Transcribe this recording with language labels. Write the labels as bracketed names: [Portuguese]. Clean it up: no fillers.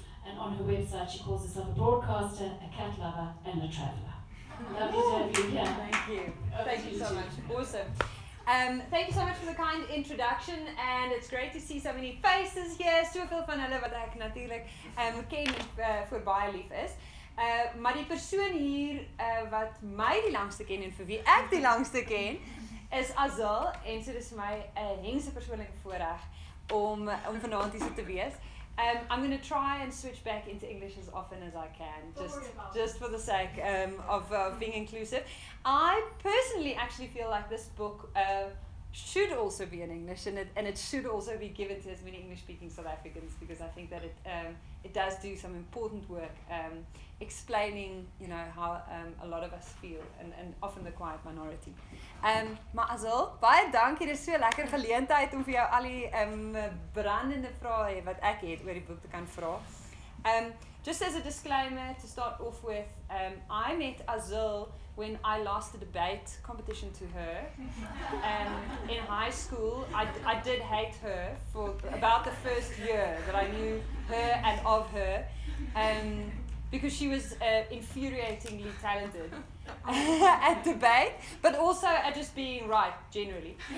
[English] And on her website, she calls herself a broadcaster, a cat lover, and a traveller. Thank you so much for the kind introduction, and it's great to see so many faces here. [Afrikaans] Soveel van hulle wat ek natuurlik ken voor baie lief is. Maar die persoon hier wat my die langste ken en vir wie ek die langste ken, is Azul, en so dis my 'n hengse persoonlike voorreg om vanavond hier te wees. [English] I'm going to try and switch back into English as often as I can, just for the sake of being inclusive. I personally actually feel like this book should also be in English, and it should also be given to as many English-speaking South Africans, because I think that it does do some important work explaining, you know, how a lot of us feel, and often the quiet minority. [Afrikaans] Maar Azul, baie dankie, dit is so lekker geleentheid om vir jou al die brandende vrae wat ek het oor die boek te kan vra. [English] Just as a disclaimer to start off with, I met Azul when I lost the debate competition to her in high school. I did hate her for about the first year that I knew her and of her, because she was infuriatingly talented at debate, but also at just being right, generally.